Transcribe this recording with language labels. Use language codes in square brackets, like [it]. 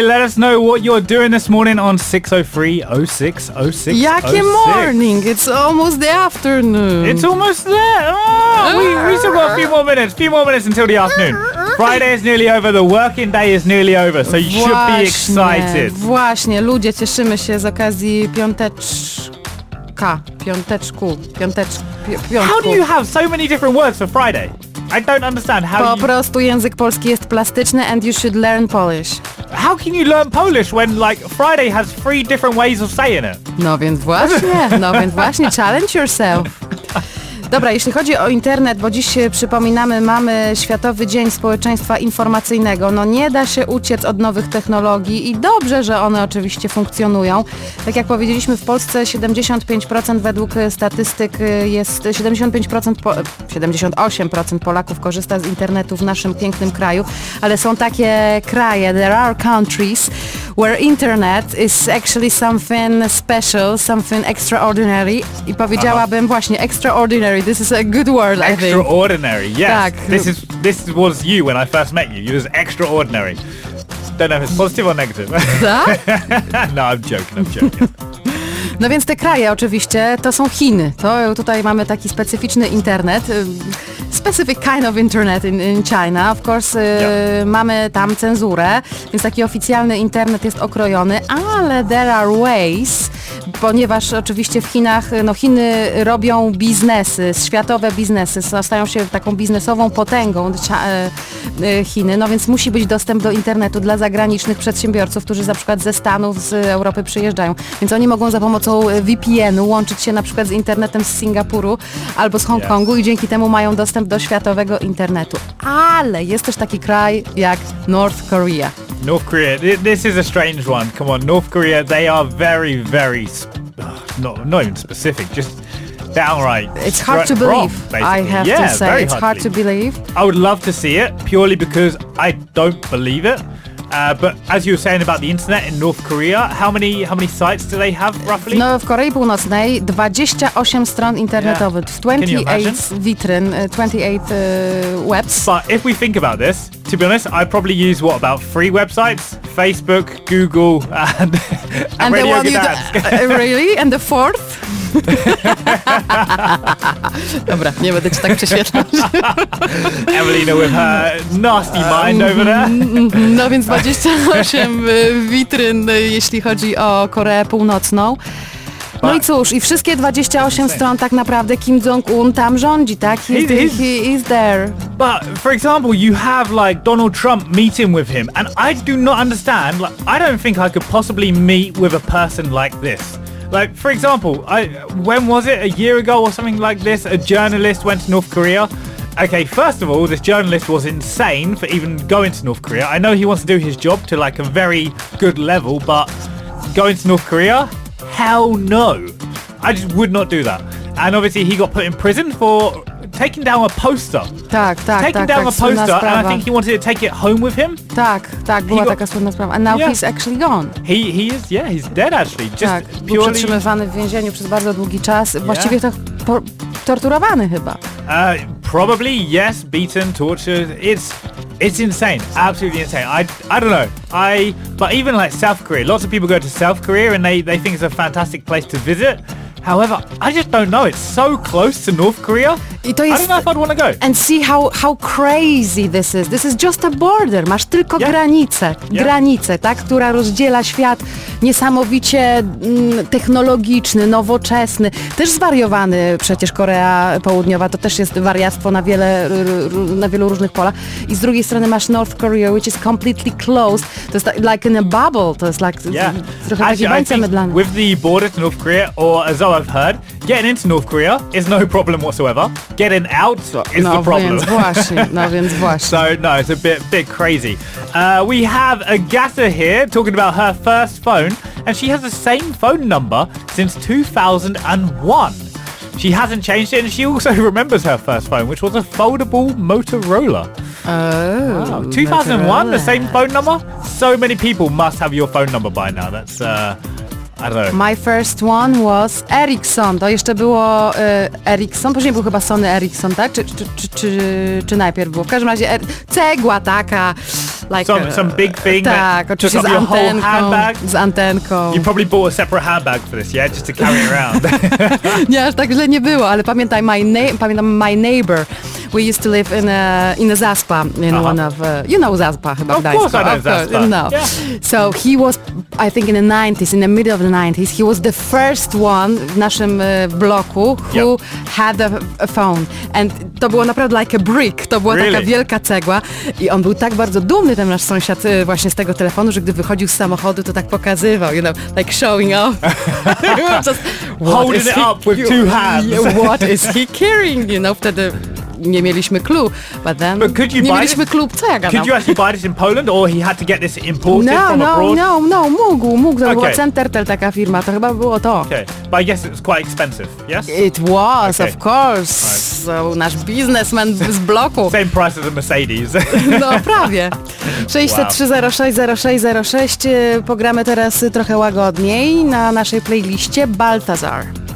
[en] Let us know what you're doing this morning on 603-06-06-06. Yucky morning. It's almost the afternoon. It's almost there. Oh, we still got a few more minutes. A few more minutes until the afternoon. Friday is nearly over. The working day is nearly over. So you [pl] właśnie, [en] should be excited. [pl] Właśnie. Ludzie, cieszymy się z okazji piąteczka. Piąteczku. Piąteczku. [en] How do you have so many different words for Friday? I don't understand how [pl] po prostu język polski jest plastyczny [en] and you should learn Polish. How can you learn Polish when like Friday has three different ways of saying it? [pl] No więc właśnie, no więc właśnie, [en] challenge yourself. [pl] Dobra, jeśli chodzi o internet, bo dziś przypominamy, mamy Światowy Dzień Społeczeństwa Informacyjnego. No nie da się uciec od nowych technologii i dobrze, że one oczywiście funkcjonują. Tak jak powiedzieliśmy, w Polsce 75% według statystyk jest, 78% Polaków korzysta z internetu w naszym pięknym kraju, ale są takie kraje, [en] there are countries where internet is actually something special, something extraordinary [pl] i powiedziałabym właśnie extraordinary. [en] This is a good word, I think. Extraordinary, yes. [pl] Tak. [en] This was you when I first met you. You was extraordinary. Don't know if it's positive or negative. [pl] Tak? [en] No, I'm joking. [pl] No więc te kraje oczywiście to są Chiny. To tutaj mamy taki specyficzny internet. [en] Specific kind of internet in China. [pl] Of course, mamy tam cenzurę, więc taki oficjalny internet jest okrojony, ale [en] there are ways, [pl] ponieważ oczywiście w Chinach, no Chiny robią biznesy, światowe biznesy, stają się taką biznesową potęgą Chiny, no więc musi być dostęp do internetu dla zagranicznych przedsiębiorców, którzy na przykład ze Stanów, z Europy przyjeżdżają. Więc oni mogą za pomocą VPN-u łączyć się na przykład z internetem z Singapuru albo z Hongkongu i dzięki temu mają dostęp do światowego internetu. Ale jest też taki kraj jak North Korea. [en] North Korea, this is a strange one. Come on, North Korea, they are very, very, not even specific, just downright It's hard to believe, wrong, I have yeah, to say. It's hard to believe. I would love to see it, purely because I don't believe it. But as you were saying about the internet in North Korea, how many sites do they have roughly? [pl] No, w Korei Północnej 28 stron internetowych, yeah. 28 witryn, 28 webs. [en] But if we think about this, to be honest, I probably use what, about 3 websites? Facebook, Google, and Radio Gdansk. Really? And the fourth? [pl] Dobra, nie będę ci tak prześwietlać. [en] Evelina with her nasty mind over there. [pl] No więc 28 witryn, jeśli chodzi o Koreę Północną. No i cóż, i wszystkie 28 stron tak naprawdę Kim Jong-un tam rządzi, tak? [en] He is there. But, for example, you have, like, Donald Trump meeting with him, and I do not understand, like, I don't think I could possibly meet with a person like this. Like, for example, when was it? A year ago or something like this, a journalist went to North Korea. Okay, first of all, this journalist was insane for even going to North Korea. I know he wants to do his job to, like, a very good level, but going to North Korea? Hell no. I just would not do that. And obviously he got put in prison for taking down a poster. Taking down a poster, and I think he wanted to take it home with him. [pl] Tak, była taka słynna sprawa. [en] And now he's actually gone. He's dead actually. Just [pl] tak, [en] purely... [pl] Był przetrzymywany w więzieniu przez bardzo długi czas. Właściwie to torturowany chyba. [en] Probably, yes, beaten, tortured. It's insane, absolutely insane. I don't know. But even like South Korea, lots of people go to South Korea and they think it's a fantastic place to visit. However, I just don't know. It's so close to North Korea. I don't know if I'd want to go. And see how crazy this is. This is just a border. [pl] Masz tylko granicę. Yeah. Granicę, tak? Która rozdziela świat niesamowicie technologiczny, nowoczesny. Też zwariowany przecież Korea Południowa. To też jest wariactwo na wielu różnych polach. I z drugiej strony masz North Korea, [en] which is completely closed. [pl] To jest [en] like in a bubble. [pl] To jest like trochę taki bańce mydlany. [en] With the border to North Korea, or as though I've heard, getting into North Korea is no problem whatsoever. Getting out is the problem. [pl] No, więc właśnie. [en] So, no, it's a bit crazy. We have Agatha here talking about her first phone, and she has the same phone number since 2001. She hasn't changed it, and she also remembers her first phone, which was a foldable Motorola. Oh, wow. 2001, Motorola. The same phone number? So many people must have your phone number by now. That's, I don't know. My first one was Ericsson. [pl] To jeszcze było Ericsson. Później był chyba Sony Ericsson, tak? Czy najpierw było? W każdym razie cegła taka. [en] Like some big thing. [pl] Tak, oczywiście [en] took up [pl] z antenką. [en] Your whole handbag. [pl] Z antenką. [en] You probably bought a separate handbag for this, yeah? Just to carry around. [pl] Nie, aż tak źle nie było, ale pamiętam [en] my neighbor. We used to live in a Zaspa, in one of, you know Zaspa, chyba of [pl] Gdańsku. [en] Of course I know Zaspa. [pl] No. [en] Yeah. So he was, I think in the 90s, in the middle of the 90s, he was the first one [pl] w naszym bloku [en] who had a phone. [pl] And to było naprawdę [en] like a brick, [pl] to była taka wielka cegła. I on był tak bardzo dumny, ten nasz sąsiad, właśnie z tego telefonu, że gdy wychodził z samochodu, to tak pokazywał, [en] you know, like showing off. Just, holding it up with two hands. What is he carrying, you know, [pl] wtedy... Nie mieliśmy klu, [en] but then but could you [pl] nie [en] buy [pl] mieliśmy [en] it? [pl] Klu, co ja gadam? [en] Could you actually buy this in Poland, or he had to get this imported from abroad? [pl] No, mógł, to była Centertel taka firma, to chyba było to. [en] Okay, but I guess it was quite expensive, yes? It was, of course. Right. So, [pl] nasz biznesman z bloku. [en] Same price as a Mercedes. [pl] No, prawie. 603-06-06-06, pogramy teraz trochę łagodniej na naszej playliście Baltazar.